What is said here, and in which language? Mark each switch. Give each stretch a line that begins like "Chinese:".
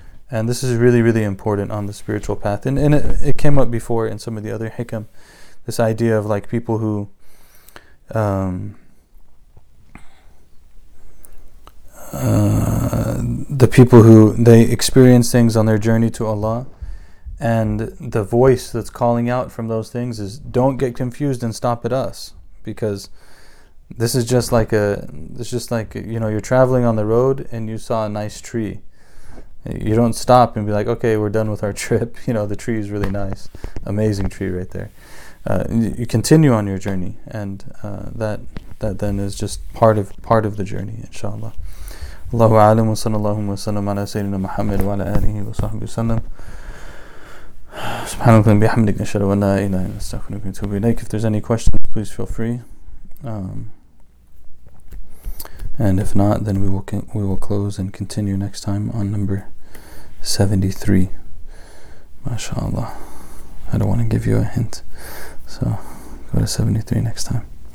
English: And this is really, really important on the spiritual path. And it came up before in some of the other hikam, this idea of, like, people who, the people who they experience things on their journey to Allah, and the voice that's calling out from those things is, don't get confused and stop at us, because this is just like you're traveling on the road and you saw a nice tree. You don't stop and be like, okay, we're done with our trip, you know, the tree is really nice, amazing tree right there. You continue on your journey, and that then is just part of the journey, inshallah.
Arabic: الله أعلم وصلى الله وسلم على سيدنا محمد وعلى آله وصحبه وسلم سبحانك اللهم وبحمدك نشهد أن لا إله إلا أنت نستغفرك ونتوب إليك.
English: If there's any questions, please feel free. And if not, then we will close and continue next time on number 73. MashaAllah. I don't want to give you a hint. So go to 73 next time.